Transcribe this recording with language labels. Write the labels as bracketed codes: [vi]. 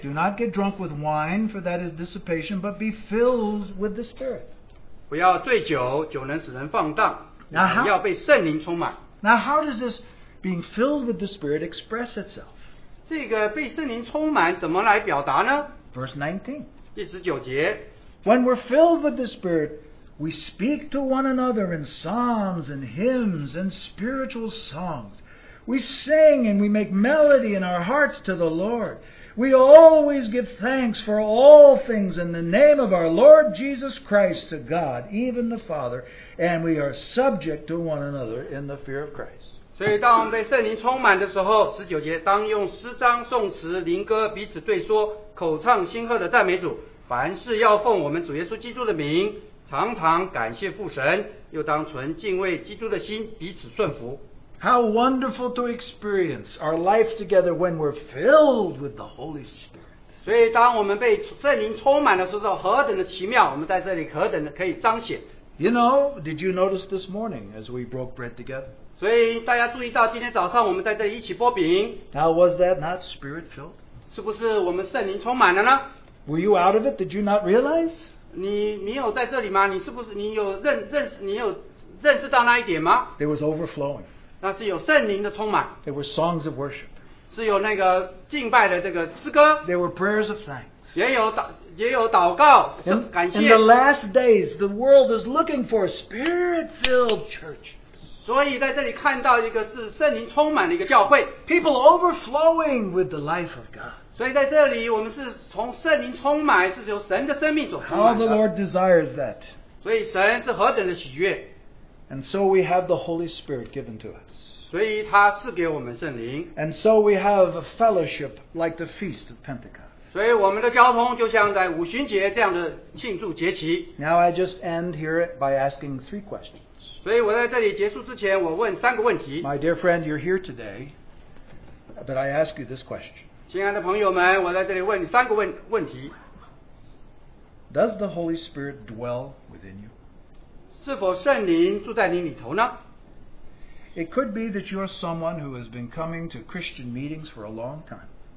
[en] Do not get drunk with wine, for that is dissipation, but be filled with the Spirit. [zh] 不要醉酒,酒能使人放荡, [en] now, how does this being filled with the Spirit express itself? [zh] 这个被圣灵充满怎么来表达呢? [en] Verse 19. When we're filled with the Spirit, we speak to one another in psalms and hymns and spiritual songs. We sing and we make melody in our hearts to the Lord. We always give thanks for all things in the name of our Lord Jesus Christ to God, even the Father, and we are subject to one another in the fear of Christ. [zh] 所以当我们被圣灵充满的时候, 19节, 当用诗章颂词, 灵歌, 彼此对说, 口唱新和的赞美主, 凡事要奉我们主耶稣基督的名, 常常感谢父神, 又当存敬畏基督的心, 彼此顺服。 [en] How wonderful to experience our life together when we're filled with the Holy Spirit. [zh] 所以当我们被圣灵充满的时候, 何等的奇妙, 我们在这里何等的可以彰显。 [en] You know, did you notice this morning as we broke bread together? [zh] 所以大家注意到今天早上我们在这里一起拨饼。 [en] Now was that not spirit filled? [zh] 是不是我们圣灵充满了呢? [en] Were you out of it? Did you not realize? [zh] 你没有在这里吗? 你是不是你有认识到那一点吗? [en] It was overflowing. [zh] 那是有圣灵的充满。 [en] There were songs of worship. [zh] 是有那个敬拜的这个诗歌。 [en] There were prayers of thanks. [zh] 也有祷告, 感谢。 [en] In the last days, the world is looking for a spirit-filled church. [zh] 所以在这里看到一个是圣灵充满的一个教会。 [en] People overflowing with the life of God. [zh] 所以在这里我们是从圣灵充满, 是由神的生命所充满的。 [en] How the Lord desires that. [zh] 所以神是何等的喜悦。 [en] And so we have the Holy Spirit given to us. [zh] 所以他赐给我们圣灵。 [en] And so we have a fellowship like the Feast of Pentecost. [zh] 所以我们的交通就像在五旬节这样的庆祝节期。 [en] Now I just end here by asking three questions. [zh] 所以我在这里结束之前, 我问三个问题。 [en] My dear friend, you're here today, but I ask you this question. [zh] 亲爱的朋友们, 我在这里问你三个问题。 [en] Does the Holy Spirit dwell within you? [zh] 是否圣灵住在你里头呢? [en] It could be that you are someone who has been coming to Christian meetings for a long time.